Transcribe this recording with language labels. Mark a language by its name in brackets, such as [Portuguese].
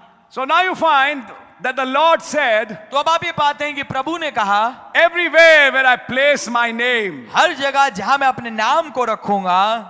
[English] So now you find that the Lord said, [Hindi] तो अब आप ये पाते हैं कि प्रभु ने कहा, [English] everywhere where I place my name, [Hindi] हर जगह जहां मैं अपने नाम को रखूंगा,